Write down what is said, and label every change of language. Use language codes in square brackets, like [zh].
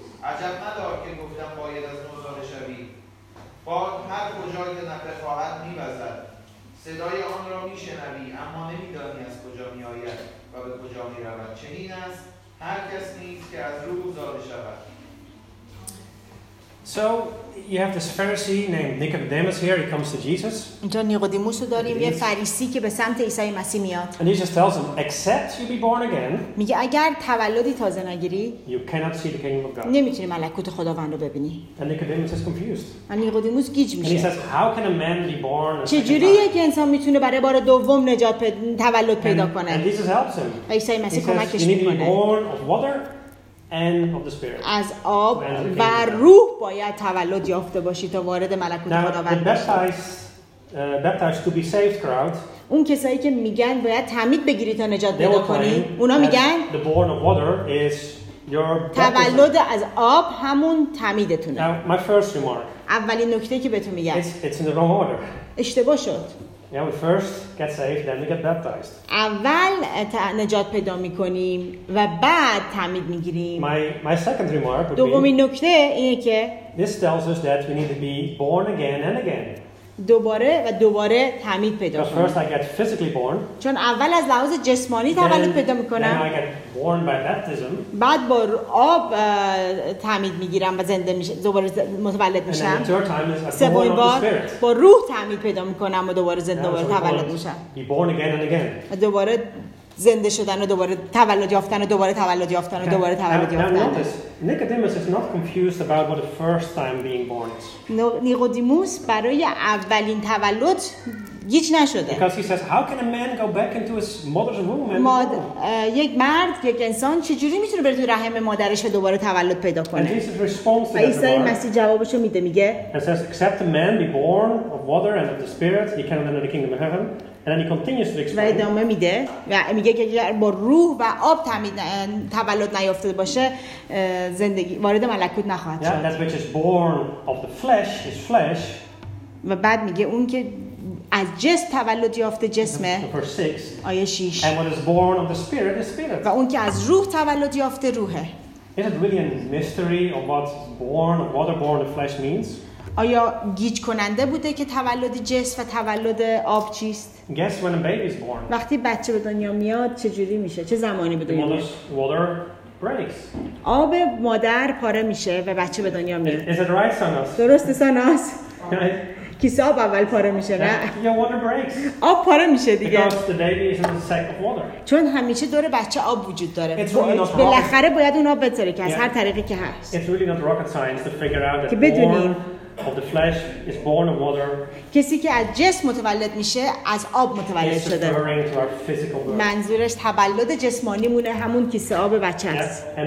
[fa] عجب مدار که گفتم باید از نو زاده شوی. باد هر کجای که نفخ خواهد می‌وزد، صدای آن را می‌شنوی اما نمی‌دانی از کجا می‌آید و به کجا می‌رود. چنین است هر کس نیست که از روح زاده شود. [en] So you have this Pharisee named Nicodemus here. He comes to Jesus. [fa] اینجا نیقودیموس رو داریم، یه فریسی که به سمت عیسی مسیح میاد. [en] And he just tells him, except you be born again. [fa] میگه اگر تولدی تازه نگیری، [en] you cannot see the kingdom of God. [fa] نمیتونی ملکوت خداوند رو ببینی. [en] And Nicodemus is confused. [fa] نیقودیموس گیج میشه. [en] And he says, how can a man be born? [fa] چه جوریه که انسان میتونه برای بار دوم نجات تولد پیدا کنه؟ [en] And Jesus helps him. [fa] عیسی مسیح کمکش میکنه. [en] He says, you need to be born of water. And of the spirit. [fa] از آب و روح باید تولد یافته باشی تا وارد ملکوت خداوند بشی. [en] Baptized to be saved crowd. [fa] اون کسایی که میگن باید تعمید بگیری تا نجات پیدا کنی، اونا میگن [en] the born of water is your [fa] تولد از آب همون تعمیدتونه. [en] Now, my first remark. [fa] اولین نکته که بهتون میگم. [en] It's in the wrong order. [fa] اشتباه شد. [en] Yeah, we first get saved, then we get baptized. [fa] اول نجات پیدا می‌کنیم و بعد تعمید می‌گیریم. [en] My second remark would be. [fa] دومین نکته اینه که. [en] This tells us that we need to be born again and again. [fa] دوباره و دوباره تعمید پیدا کنیم. [en] First I get physically born. [fa] چون اول از لحاظ جسمانی تولد پیدا می‌کنم. [en] Then I get born by baptism. [fa] بعد با آب تعمید می‌گیرم و زنده میشم، دوباره متولد میشم. [en] And then the third time is I'm born of the [fa] سومین بار با روح تعمید پیدا می‌کنم و دوباره زنده و تولد میشم. [en] Be born again and again. [fa] دوباره زنده شدن و دوباره تولد یافتن و دوباره تولد یافتن و دوباره تولد یافتن. [en] Nicodemus is not confused about what the first time being born is. [fa] نیقودیموس برای اولین تولد گیج نشده. [en] Because he says, how can a man go back into his mother's womb and [fa] یک مرد، یک انسان چجوری میتونه بره توی رحم مادرش دوباره تولد پیدا کنه؟ [en] And Jesus responds to that. [fa] عیسی مسیح جوابشو میده، میگه. [en] And says, except a man be born of water and of the Spirit, he cannot enter the kingdom of heaven. And then he continues to explain. [fa] و ادامه میده و میگه که اگر با روح و آب تولد نیافته باشه زندگی وارد ملکوت نخواهد شد. [en] Yeah, that which is born of the flesh is flesh. [fa] و بعد میگه اون که از جسم تولد یافته جسمه. آیه 6. [en] And what is born of the spirit is spirit. [fa] و اون که از روح تولد یافته روحه. [en] Is it really a mystery of what born of water born of flesh means? [fa] آیا گیج کننده بوده که تولد جسم و تولد آب چیست؟ [en] Guess when a baby is born. [fa] وقتی بچه به دنیا میاد چه جوری میشه؟ چه زمانی به دنیا میاد؟ [en] Water breaks. [fa] آب مادر پاره میشه و بچه به دنیا میاد. [en] Is it right, Sanas? [fa] درست ساناس. کیسه آب اول پاره میشه، نه؟ [en] Yeah, water breaks. [fa] آب پاره میشه دیگه. [en] Because the baby is in the sack of water. [fa] چون همیشه دور بچه آب وجود داره. [en] It's really not rocket. [fa] بالاخره باید اون آب بتره که از هر طریقی که هست. [en] It's really not rocket science to figure out that born of the flesh is born of water. [fa] کسی که از جسم متولد میشه از آب متولد شده. منظورش تولد جسمانیمونه همون کیسه آب بچه است.